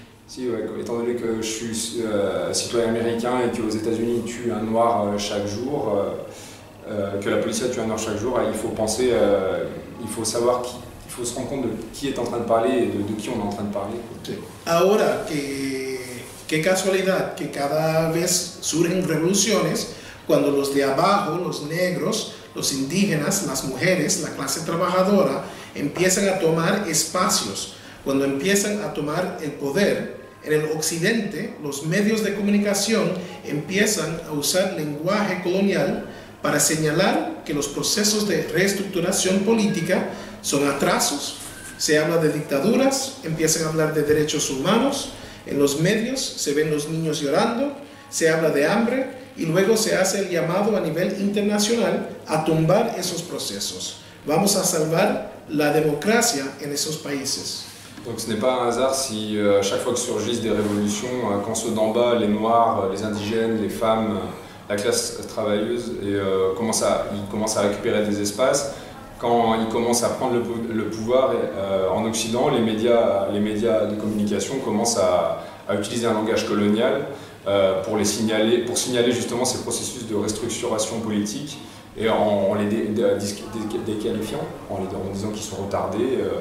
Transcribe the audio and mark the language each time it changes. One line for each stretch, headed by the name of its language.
French: Si, ouais, étant donné que je suis citoyen américain et qu'aux États-Unis ils tuent un noir chaque jour, que la police tue un noir chaque jour, il faut se rendre compte de qui est en train de parler et de qui on est en train de parler.
Spanish: Ahora que Qué casualidad que cada vez surgen revoluciones cuando los de abajo, los negros, los indígenas, las mujeres, la clase trabajadora, empiezan a tomar espacios, cuando empiezan a tomar el poder. En el occidente, los medios de comunicación empiezan a usar lenguaje colonial para señalar que los procesos de reestructuración política son atrasos. Se habla de dictaduras, empiezan a hablar de derechos humanos, en los medios se ven los niños llorando, se habla de hambre, y luego se hace el llamado a nivel internacional a tumbar esos procesos. Vamos a salvar la democracia en esos países.
French: Donc ce n'est pas un hasard si chaque fois que surgissent des révolutions, quand ceux d'en bas, les noirs, les indigènes, les femmes, la classe travailleuse, commencent à récupérer des espaces, quand ils commencent à prendre le pouvoir en Occident, les médias de communication commencent à utiliser un langage colonial pour signaler justement ces processus de restructuration politique et en les déqualifiant, en disant qu'ils sont retardés.